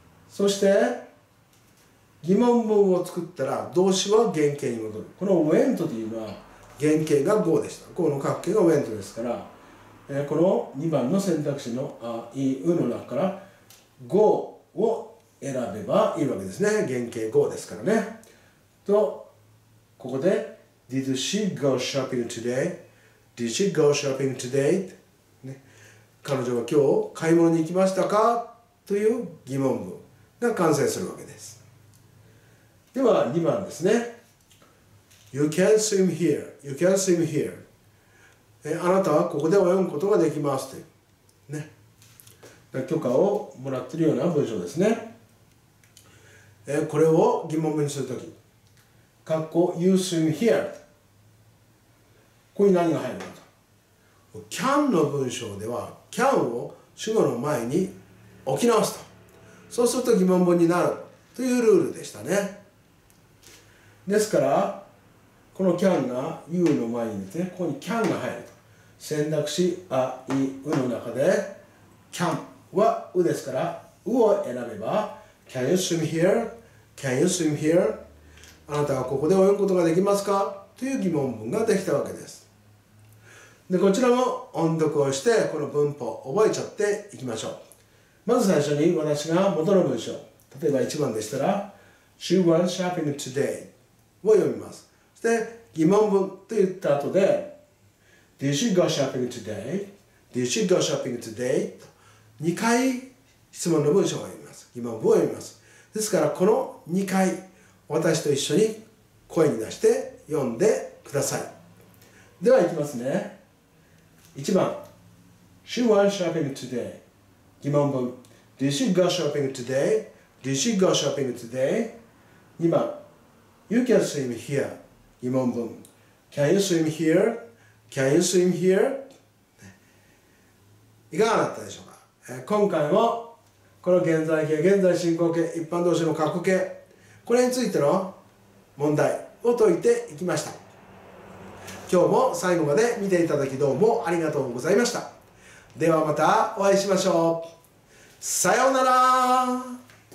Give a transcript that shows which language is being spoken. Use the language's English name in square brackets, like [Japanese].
[Japanese] そして疑問文を作ったら動詞は原形に戻る。この went というのは原形が go でした。 go の括弧形が went ですから、この2番の選択肢のあいうの中から go を選べばいいわけですね。原形 go ですからね。とここで [English] Did she go shopping today? Did she go shopping today?、 [Japanese] ね、彼女は今日買い物に行きましたかという疑問文が完成するわけです。では2番ですね。 [English] You can swim here. You can swim here. [Japanese] あなたはここで泳ぐことができますという、ね。許可をもらっているような文章ですね。これを疑問文にするとき。括弧 You swim here。ここに何が入るのか。 can の文章では can を主語の前に置き直すと。そうすると疑問文になるというルールでしたね。ですからこの can が you の前に出てここに can が入ると。選択肢 a、i、u の中で can は u ですから u を選べば [English] can you swim here? Can you swim here? [Japanese] あなたはここで泳ぐことができますかという疑問文ができたわけです。で、こちらも音読をして、この文法を覚えちゃっていきましょう。まず最初に私が元の文章、例えば1番でしたら、 [English] She went shopping today [Japanese] を読みます。そして疑問文と言った後で、 [English] Did she go shopping today? Did she go shopping today? [Japanese] と2回質問の文章を読みます。疑問文を読みます。ですからこの2回私と一緒に声に出して読んでください。ではいきますね。 [English] 1番 She went shopping today。 疑問文 Did she go shopping today? Did she go shopping today? 2番 You can swim here。疑問文 Can you swim here? Can you swim here? [Japanese] いかがだったでしょうか。今回もこの現在形、現在進行形、一般動詞の過去形、これについての問題を解いていきました。今日も最後まで見ていただきどうもありがとうございました。ではまたお会いしましょう。さようなら。